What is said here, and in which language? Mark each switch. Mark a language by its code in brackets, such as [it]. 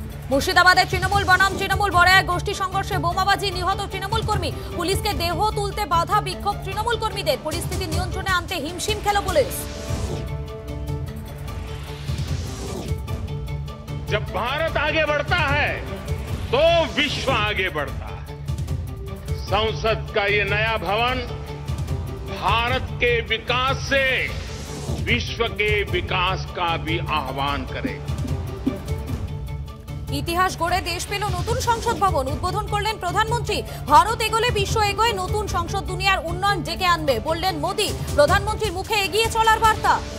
[bn] মুর্শিদাবাদের তৃণমূল বনাম তৃণমূল বড়াইয়া গোষ্ঠী সংঘর্ষে বোমাবাজি, নিহত তৃণমূল কর্মী, পুলিশকে দেহ তুলতে বাধা বিক্ষোভ তৃণমূল কর্মীদের, পরিস্থিতি নিয়ন্ত্রণে আনতে হিমশিম খেল পুলিশ। [hi] जब भारत आगे बढ़ता है तो विश्व आगे बढ़ता है। संसद का ये नया भवन भारत के विकास से विश्व के विकास का भी आह्वान करेगा। [bn] ইতিহাস গড়ে দেশ পেল নতুন সংসদ ভবন, উদ্বোধন করলেন প্রধানমন্ত্রী, ভারত এগোলে বিশ্ব এগোয়, নতুন সংসদ দুনিয়ার উন্নয়ন ডেকে আনবে বললেন মোদী, প্রধানমন্ত্রীর মুখে এগিয়ে চলার বার্তা।